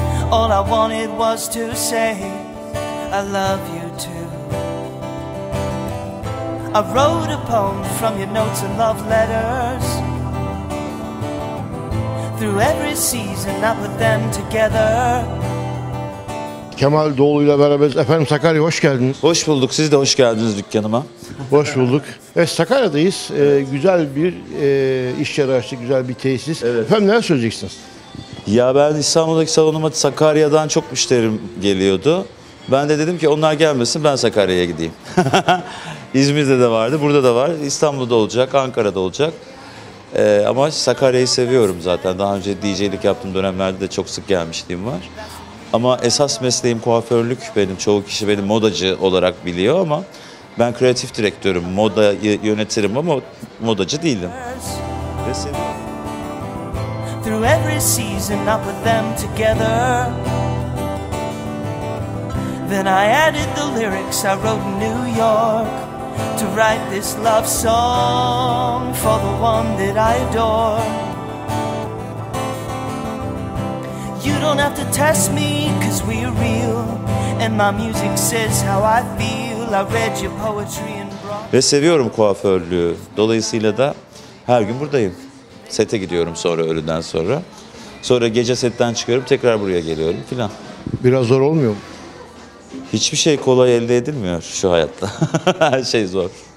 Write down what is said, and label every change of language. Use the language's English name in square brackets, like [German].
[English] All I wanted was to say I love you too. I wrote a poem from your notes and love letters. Through every season I put them together. [Turkish] Kemal Doğulu'yla beraberiz. Efendim Sakarya, hoş geldiniz. Hoş bulduk. Siz de hoş geldiniz dükkanıma. Hoş bulduk. Evet, Sakarya'dayız. Evet. Güzel bir iş yeri açtık. Güzel bir tesis. Evet. Efendim neler söyleyeceksiniz? Ya ben İstanbul'daki salonuma Sakarya'dan çok müşterim geliyordu. Ben de dedim ki onlar gelmesin, ben Sakarya'ya gideyim. İzmir'de de vardı, burada da var. İstanbul'da olacak, Ankara'da olacak. Ama Sakarya'yı seviyorum zaten. Daha önce DJ'lik yaptığım dönemlerde de çok sık gelmişliğim var. Ama esas mesleğim kuaförlük benim. Çoğu kişi beni modacı olarak biliyor ama ben kreatif direktörüm. Modayı yönetirim ama modacı değilim. [English] Through every season I put them together. Then I added the lyrics I wrote in New York to write this love song for the one that I adore. You don't have to test me, 'cause we're real. And my music says how I feel. I read your poetry and brought. [Turkish] Ve seviyorum kuaförlüğü. Dolayısıyla da her gün buradayım. Sete gidiyorum sonra, öğleden sonra. Sonra gece setten çıkıyorum, tekrar buraya geliyorum filan. Biraz zor olmuyor mu? Hiçbir şey kolay elde edilmiyor şu hayatta. Her şey zor.